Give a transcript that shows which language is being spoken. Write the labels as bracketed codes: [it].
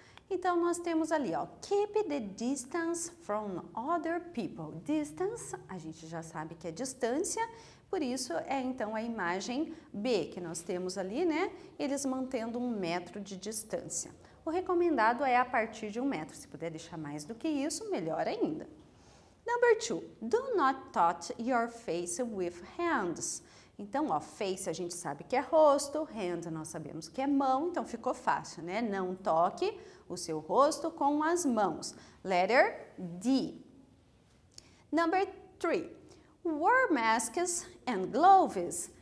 [pt] Então, nós temos ali, ó, [en] keep the distance from other people. [pt] Distance, a gente já sabe que é distância, por isso é então a imagem B que nós temos ali, né? Eles mantendo 1 metro de distância. O recomendado é a partir de 1 metro. Se puder deixar mais do que isso, melhor ainda. [en] Number 2, do not touch your face with hands. [pt] Então, ó, face a gente sabe que é rosto, hand nós sabemos que é mão, então ficou fácil, né? Não toque o seu rosto com as mãos. [en] Letter D. Number 3, wear masks and gloves.